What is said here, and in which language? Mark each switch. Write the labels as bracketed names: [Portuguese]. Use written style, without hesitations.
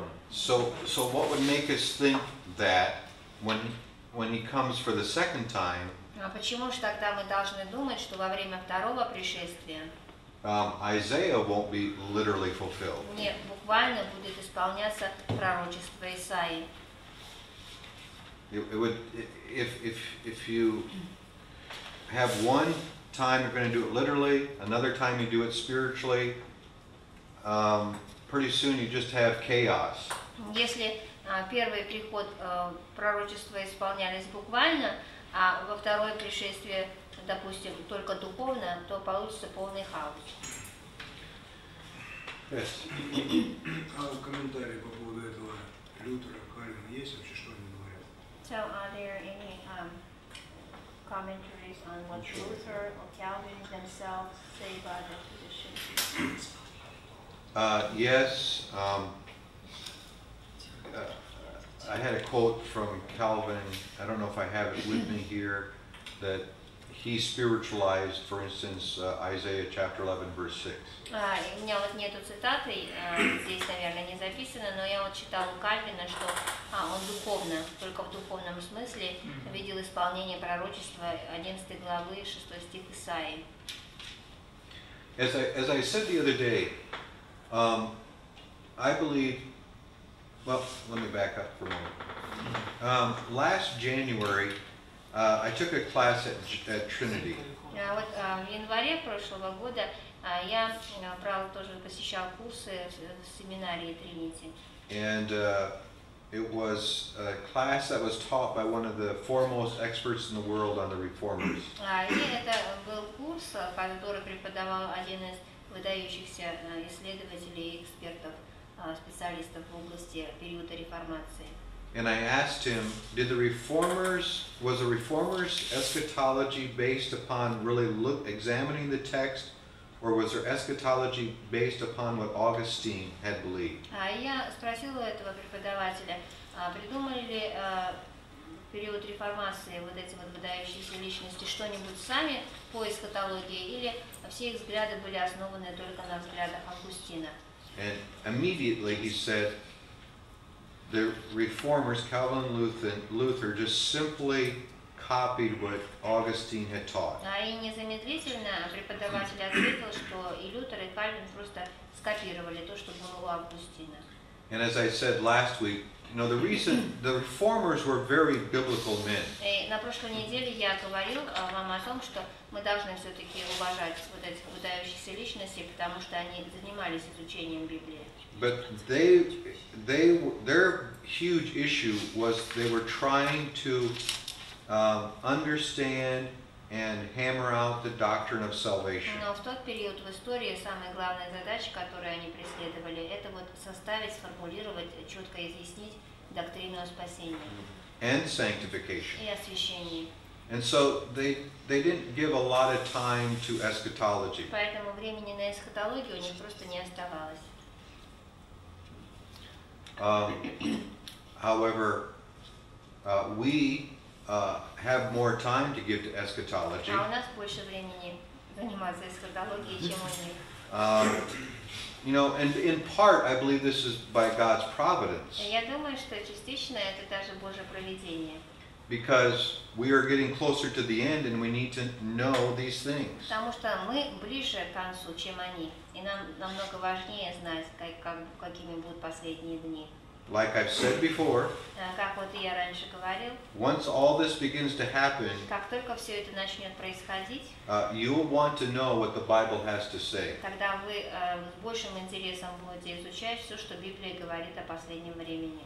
[English] So what would make us think that when he comes for the second time? [Russian] А почему же тогда мы должны думать, что во время второго пришествия? [English] Isaiah won't be literally fulfilled. [Russian] Нет, буквально будет исполняться пророчество Исаии. [English] It would if you have one time you're going to do it literally, another time you do it spiritually, pretty soon you just have chaos. [Russian] Если первый приход пророчества исполнялись буквально, а во второе пришествие допустим, только духовно, то получится полный хаос. [English] Yes. [Russian] А в комментарии по поводу этого Лютера, Кальвина, есть вообще что-нибудь говорят? [English] So, are there any commentaries on what Luther or Calvin themselves say about the tradition? Yes. I had a quote from Calvin. I don't know if I have it with me here. That he spiritualized, for instance, Isaiah chapter 11, verse 6. [Russian] У меня вот нету цитаты здесь, наверное, не записано, но я вот читал у Кальвина, что он духовно, только в духовном смысле, видел исполнение пророчества 11 главы, 6 стих Исаии. [English] As I said the other day, I believe. Well, let me back up for a moment. Last January. I took a class at Trinity. [Russian] Вот в январе прошлого года я брал тоже посещал курсы в семинарии Trinity. [English] And it was a class that was taught by one of the foremost experts in the world on the Reformers. [Russian] Это был курс, который преподавал один из выдающихся исследователей и экспертов, специалистов в области периода Реформации. [English] And I asked him, did the reformers was the reformers eschatology based upon really look examining the text, or was their eschatology based upon what Augustine had believed? [Russian] Я спросил у этого преподавателя, придумали ли период реформации вот эти вот выдающиеся личности что-нибудь сами по эскатологии, или все их взгляды были основаны только на взглядах Августина? [English] And immediately he said, the reformers, Calvin and Luther, just simply copied what Augustine had taught. [Russian] И незамедлительно преподаватель ответил, что и Лютер, и Кальвин просто скопировали то, что было у Августина. [English] And as I said last week, you know, the reason the reformers were very biblical men. [Russian] На прошлой неделе я говорил вам о том, что мы должны все-таки уважать вот этих выдающихся личностей, потому что они занимались изучением Библии. [English] But they their huge issue was they were trying to understand and hammer out the doctrine of salvation. [Russian] Но в тот период в истории самая главная задача, которую они преследовали, это вот составить, сформулировать, четко изъяснить доктрину о спасении. [English] And sanctification. [Russian] И освящении. [English] And so they didn't give a lot of time to eschatology. [Russian] Поэтому времени на эсхатологию у них просто не оставалось. [English] However, we have more time to give to eschatology. [Russian] А у нас больше времени заниматься эсхатологией, чем у них. [English] You know, and in part, I believe this is by God's providence. [Russian] Я думаю, что частично это даже Божье провидение. [English] Because we are getting closer to the end, and we need to know these things. [Russian] Потому что мы ближе к концу, чем они, и нам намного важнее знать, какими будут последние дни. [English] Like I've said before. [Russian] Как вот я раньше говорил. [English] Once all this begins to happen. [Russian] Как только все это начнет происходить. [English] You'll want to know what the Bible has to say. [Russian] Тогда вы с большим интересом будете изучать все, что Библия говорит о последнем времени.